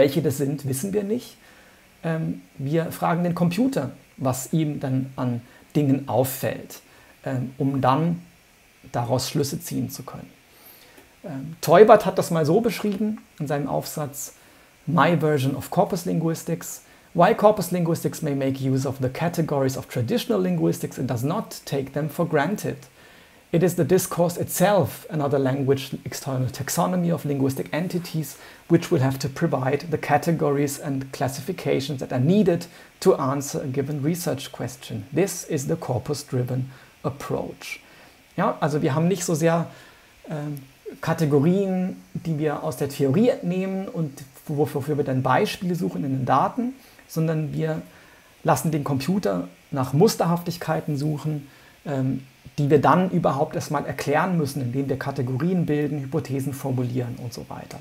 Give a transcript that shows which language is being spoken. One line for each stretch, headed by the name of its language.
German: Welche das sind, wissen wir nicht. Wir fragen den Computer, was ihm dann an Dingen auffällt, um dann daraus Schlüsse ziehen zu können. Teubert hat das mal so beschrieben in seinem Aufsatz My Version of Corpus Linguistics.
English: While corpus linguistics may make use of the categories of traditional linguistics and does not take them for granted, it is the discourse itself, another language external taxonomy of linguistic entities, which will have to provide the categories and classifications that are needed to answer a given research question. This is the corpus-driven approach.
German: Ja, also wir haben nicht so sehr Kategorien, die wir aus der Theorie entnehmen und wofür wir dann Beispiele suchen in den Daten, sondern wir lassen den Computer nach Musterhaftigkeiten suchen, die wir dann überhaupt erstmal erklären müssen, indem wir Kategorien bilden, Hypothesen formulieren und so weiter.